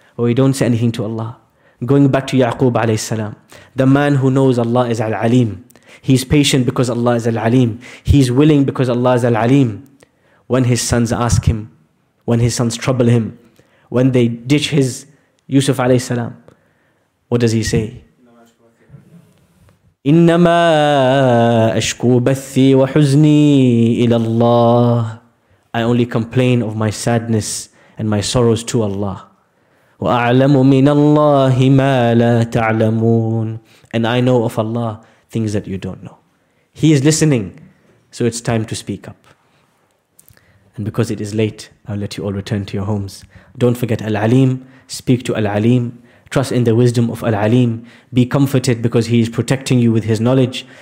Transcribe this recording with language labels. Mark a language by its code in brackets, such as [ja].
[en] But we don't say anything to Allah. Going back to Yaqub alayhi salam, the man who knows Allah is Al-Aleem. He's patient because Allah is Al-Aleem. He's willing because Allah is Al-Aleem. When his sons ask him, when his sons trouble him, when they ditch his Yusuf alayhi salam, what does he say? [ar] إنما أشكو بثي وحزني إلى الله. [en] I only complain of my sadness and my sorrows to Allah. [ar] وأعلم من الله ما لا تعلمون. [en] And I know of Allah things that you don't know. He is listening, so it's time to speak up. And because it is late, I'll let you all return to your homes. Don't forget Al-Aleem. Speak to Al-Aleem. Trust in the wisdom of Al-Aleem. Be comforted because He is protecting you with His knowledge.